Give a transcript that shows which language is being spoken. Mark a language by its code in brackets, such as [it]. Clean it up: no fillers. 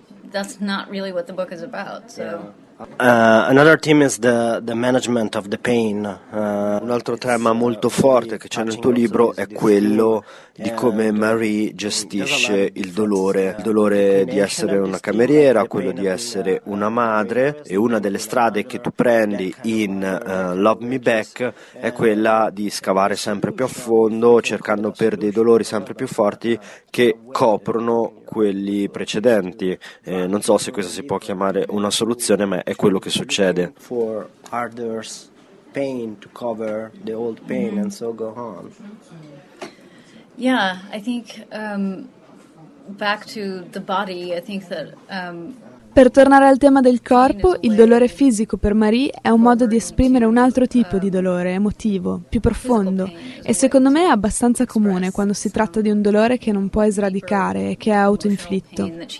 [en] That's not really what the book is about, so. Another theme is the management of the pain. [it] Un altro tema molto forte che c'è nel tuo libro è quello di come Marie gestisce il dolore di essere una cameriera, quello di essere una madre, e una delle strade che tu prendi in Love Me Back è quella di scavare sempre più a fondo, cercando per dei dolori sempre più forti che coprono quelli precedenti. Non so se questo si può chiamare una soluzione, ma è quello che succede. [en] For others, pain to cover the old pain and so go on. Yeah, I think back to the body, I think that [it] per tornare al tema del corpo, il dolore fisico per Marie è un modo di esprimere un altro tipo di dolore, emotivo, più profondo, e secondo me è abbastanza comune quando si tratta di un dolore che non puoi sradicare e che è autoinflitto.